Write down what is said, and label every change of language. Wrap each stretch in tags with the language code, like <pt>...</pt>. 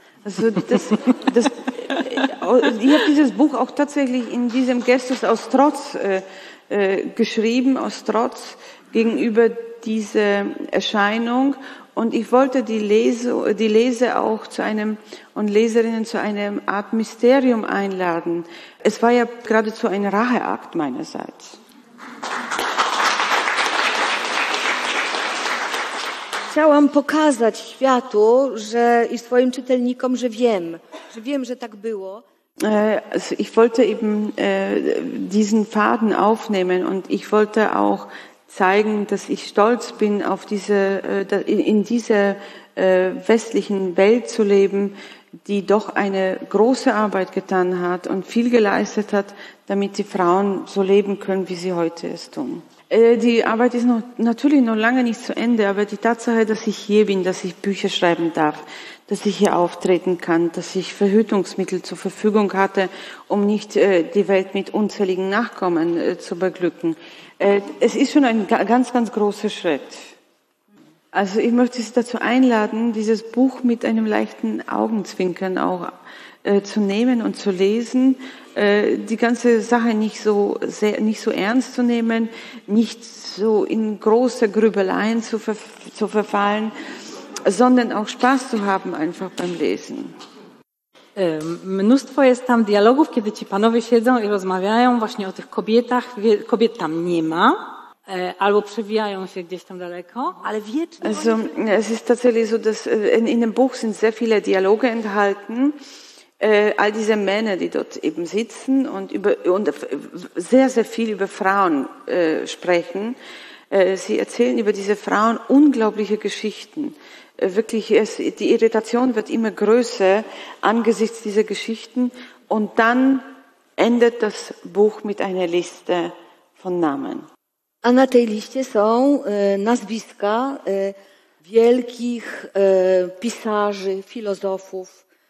<de>Also das ich habe dieses Buch auch tatsächlich in diesem Gestus aus Trotz geschrieben, aus Trotz gegenüber diese Erscheinung. Und ich wollte die Leser auch zu einem und Leserinnen zu einer Art Mysterium einladen. Es war ja geradezu ein Racheakt meinerseits.</de> <pl>Chciałam pokazać światu, że i swoim czytelnikom, że wiem, że tak było.</pl> <de>Also ich wollte eben diesen Faden aufnehmen und ich wollte auch zeigen, dass ich stolz bin, auf diese, in dieser westlichen Welt zu leben, die doch eine große Arbeit getan hat und viel geleistet hat, damit die Frauen so leben können, wie sie heute es tun. Die Arbeit ist natürlich noch lange nicht zu Ende, aber die Tatsache, dass ich hier bin, dass ich Bücher schreiben darf, dass ich hier auftreten kann, dass ich Verhütungsmittel zur Verfügung hatte, um nicht die Welt mit unzähligen Nachkommen zu beglücken. Es ist schon ein ganz, ganz großer Schritt. Also ich möchte Sie dazu einladen, dieses Buch mit einem leichten Augenzwinkern auch zu nehmen und zu lesen, die ganze Sache nicht so ernst zu nehmen, nicht so in große Grübeleien zu verfallen, sondern auch Spaß zu haben einfach beim Lesen.</de> <pl>Mnóstwo jest tam dialogów, kiedy ci panowie siedzą i rozmawiają właśnie o tych kobietach. Kobiet tam nie ma, albo przewijają się gdzieś tam daleko, ale wiecznie...</pl> <de>Also es ist tatsächlich so, dass in dem Buch sind sehr viele Dialoge enthalten, all diese Männer, die dort eben sitzen und sehr, sehr viel über Frauen sprechen. Sie erzählen über diese Frauen unglaubliche Geschichten. Wirklich, die Irritation wird immer größer angesichts dieser Geschichten. Und dann endet das Buch mit einer Liste von Namen.</de> <pl>A na tej liście są nazwiska wielkich pisarzy, filozofów.</pl>